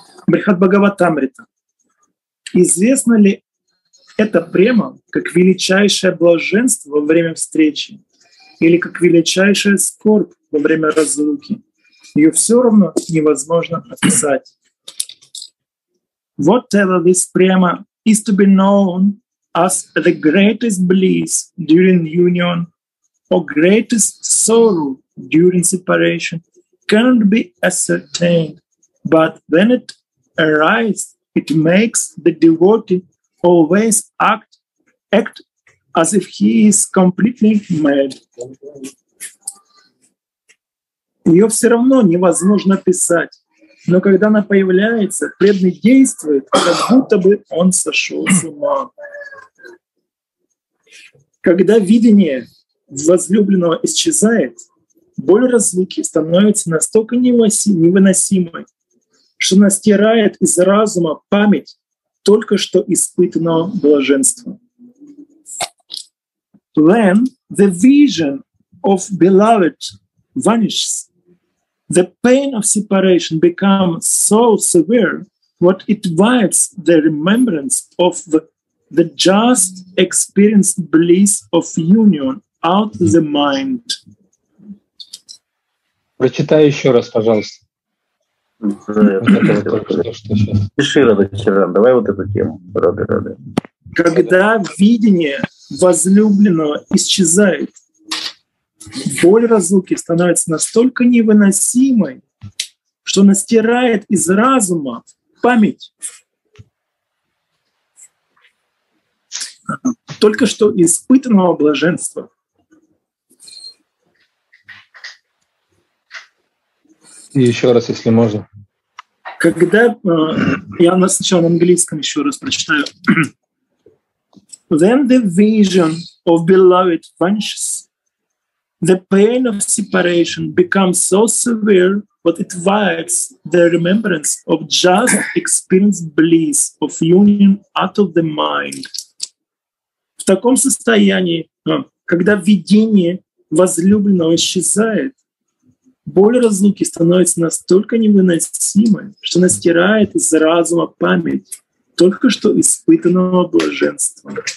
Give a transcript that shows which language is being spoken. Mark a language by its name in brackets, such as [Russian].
[Russian] Брихат Бхагаватамрита. Известно ли это према как величайшее блаженство во время встречи или как величайшая скорбь во время разлуки? Ее все равно невозможно описать. [English] Whatever this prema is to be known as the greatest bliss during union or greatest sorrow during separation cannot be ascertained, but when it arises, it makes the devotee always act as if he is completely mad. [Russian] Ее все равно невозможно писать, но когда она появляется, преданный действует, как будто бы он сошел с ума. Когда видение возлюбленного исчезает, боль разлуки становится настолько невыносимой, что она стирает из разума память только что испытанного блаженства. [English] When the vision of beloved vanishes, the pain of separation becomes so severe that it wipes the remembrance of the just experienced bliss of union out of the mind. [Russian] Прочитай еще раз, пожалуйста. Пиши, Радочаран, давай вот эту тему. Рады. Когда видение возлюбленного исчезает, боль разлуки становится настолько невыносимой, что она стирает из разума память только что испытанного блаженства. Еще раз, если можно. Когда я сначала на английском еще раз прочитаю. [English] When the vision of beloved vanishes, the pain of separation becomes so severe that it wipes the remembrance of just experienced bliss of union out of the mind. [Russian] В таком состоянии, когда видение возлюбленного исчезает, боль разлуки становится настолько невыносимой, что она стирает из разума память только что испытанного блаженства.